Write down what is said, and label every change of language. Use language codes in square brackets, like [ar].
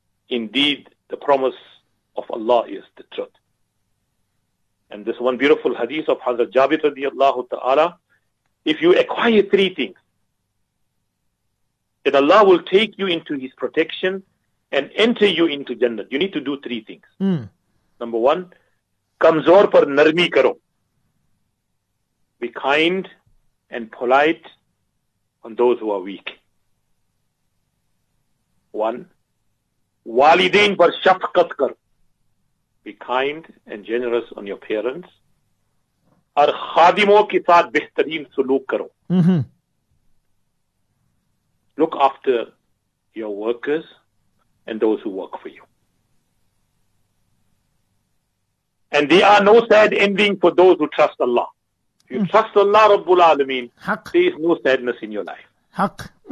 [en] Indeed, the promise of Allah is the truth. And this one beautiful hadith of Hazrat Jabir radiallahu ta'ala, if you acquire three things, then Allah will take you into His protection and enter you into Jannah. You need to do three things. Number one, [ur] کمزور پر نرمی کرو۔ [en] Be kind and polite on those who are weak. One, [ur] والدین پر شفقت کرو۔ [en] Be kind and generous on your parents. [ur] اور خادموں کے ساتھ بہترین سلوک کرو۔ [en] Look after your workers and those who work for you. And there are no sad ending for those who trust Allah. If you trust Allah, Rabbul Alameen, there is no sadness in your life.